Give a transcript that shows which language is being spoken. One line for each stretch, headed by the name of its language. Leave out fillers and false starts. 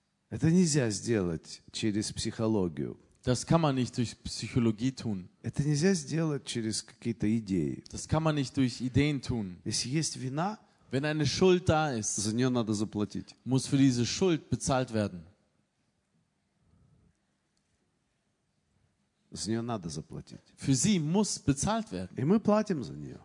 Russian: Это нельзя сделать через психологию.
German: Das kann man nicht durch Psychologie tun.
Russian: Это нельзя сделать через какие-то идеи.
German: Das kann man nicht durch Ideen tun.
Russian: Если есть вина,
German: wenn eine Schuld da ist,
Russian: за нее надо заплатить.
German: Muss für diese Schuld bezahlt werden.
Russian: За нее надо заплатить.
German: Für sie muss bezahlt werden.
Russian: И мы платим за нее.